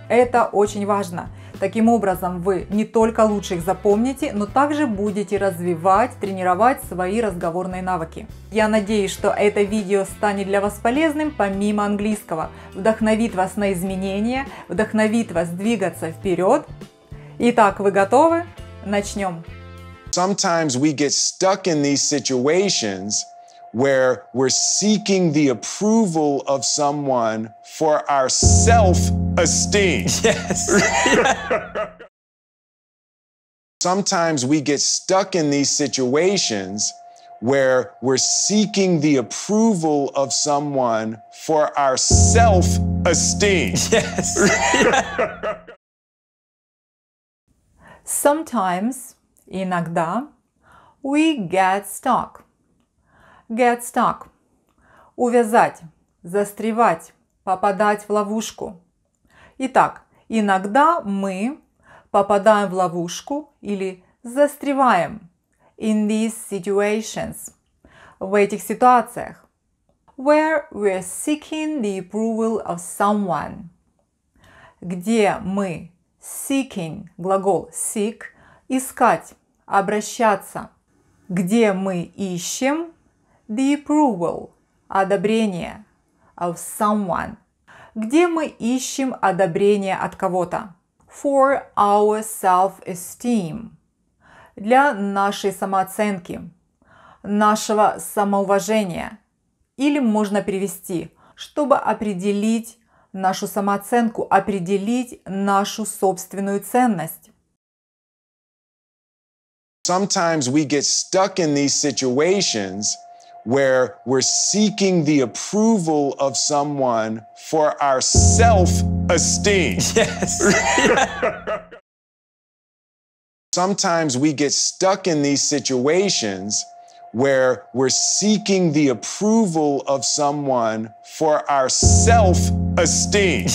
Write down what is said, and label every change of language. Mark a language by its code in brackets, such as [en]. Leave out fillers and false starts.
[ru] Это очень важно. Таким образом, вы не только лучше их запомните, но также будете развивать, тренировать свои разговорные навыки. Я надеюсь, что это видео станет для вас полезным, помимо английского, вдохновит вас на изменения, вдохновит вас двигаться вперед. Итак, вы готовы? Начнем! [en] Sometimes we get stuck in these situations where we're seeking the approval of someone for our self-esteem. Yes. Sometimes we get stuck in these situations where we're seeking the approval of someone for our self-esteem. Yes. Sometimes [ru] иногда [en] we get stuck. Get stuck. [ru] Увязать, застревать, попадать в ловушку. Итак, иногда мы попадаем в ловушку или застреваем [en] in these situations. [ru] В этих ситуациях. [en] Where we're seeking the approval of someone. [ru] Где мы seeking, глагол seek, искать. Обращаться. Где мы ищем [en] the approval, [ru] одобрение [en] of someone. [ru] Где мы ищем одобрение от кого-то? [en] For our self-esteem. [ru] Для нашей самооценки, нашего самоуважения. Или можно перевести, чтобы определить нашу самооценку, определить нашу собственную ценность. [en] Sometimes we get stuck in these situations where we're seeking the approval of someone for our self-esteem. Yes. Sometimes we get stuck in these situations where we're seeking the approval of someone for our self-esteem.